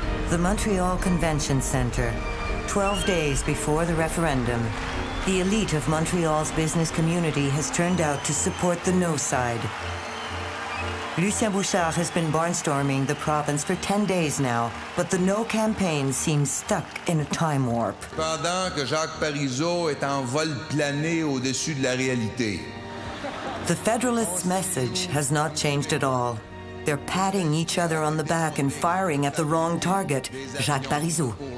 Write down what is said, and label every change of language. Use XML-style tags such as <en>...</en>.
<en>The Montreal Convention Center, 12 days before the referendum, the elite of Montreal's business community has turned out to support the no side. Lucien Bouchard has been barnstorming the province for 10 days now, but the no campaign seems stuck in a time warp.</en> <fr>Pendant que Jacques Parizeau est en vol plané au-dessus de la réalité.</fr> <en>The Federalists' message has not changed at all. They're patting each other on the back and firing at the wrong target, Jacques Parizeau.</en>